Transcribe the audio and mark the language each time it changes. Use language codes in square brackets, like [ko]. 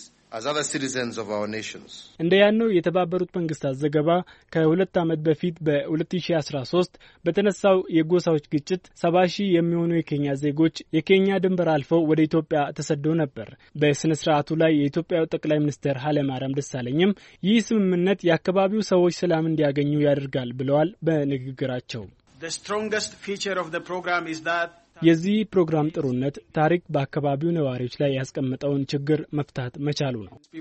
[en] As other citizens of our nations. [am] እንደ ያነው የተባበሩት መንግስታት ዘገባ ከሁለት አመት በፊት በ2013 በተነሳው የጎሳዎች ግጭት 70,000 የሚሆኑ የኬንያ ዜጎች የኬንያ ድንበር አልፈው ወደ ኢትዮጵያ ተሰደው ነበር። በስነ ስርዓቱ ላይ የኢትዮጵያው ጠቅላይ ሚኒስትር ኃይለማርያም ደሳለኝም ይህ ስምምነት የአካባቢው ሰዎች ሰላም እንዲያገኙ ያደርጋል ብለዋል በንግግራቸው። [en] The strongest feature of the program is that [am] የዚህ ፕሮግራም ጥሩነት ታሪክ በአካባቢው ነዋሪዎች ላይ ያስቀመጠውን ችግር መፍታት መቻሉ ነው።